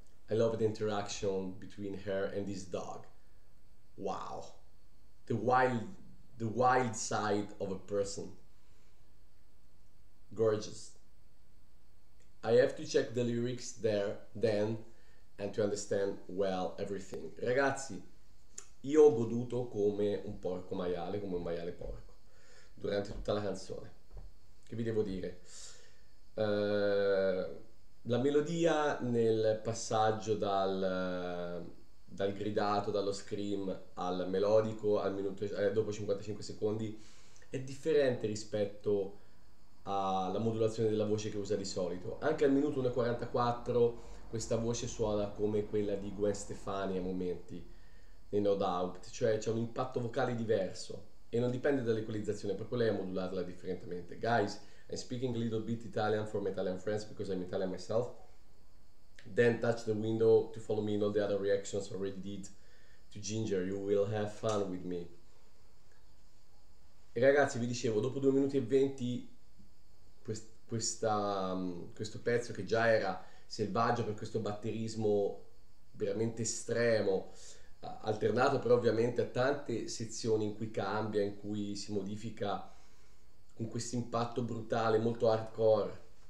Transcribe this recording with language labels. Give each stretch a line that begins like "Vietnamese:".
English: I love the interaction between her and this dog. Wow. The wild side of a person. Gorgeous. I have to check the lyrics there then and to understand well everything.
Italian: Ragazzi, io ho goduto come un porco maiale, come un maiale porco, durante tutta la canzone. Che vi devo dire? La melodia nel passaggio dal gridato, dallo scream al melodico al minuto, dopo 55 secondi è differente rispetto alla modulazione della voce che usa di solito. Anche al minuto 1:44 questa voce suona come quella di Gwen Stefani a momenti nei No Doubt, cioè c'è un impatto vocale diverso. e non dipende dall'equalizzazione, proprio lei ha modulato la differentemente.
English: Guys, I'm speaking a little bit Italian for my Italian friends because I'm Italian myself. Then touch the window to follow me in all the other reactions already did to Jinjer. You will have fun with me.
Italian: E ragazzi, vi dicevo, dopo 2 minuti e 20, questo pezzo che già era selvaggio per questo batterismo veramente estremo, alternato però ovviamente a tante sezioni in cui cambia, in cui si modifica con questo impatto brutale, molto hardcore.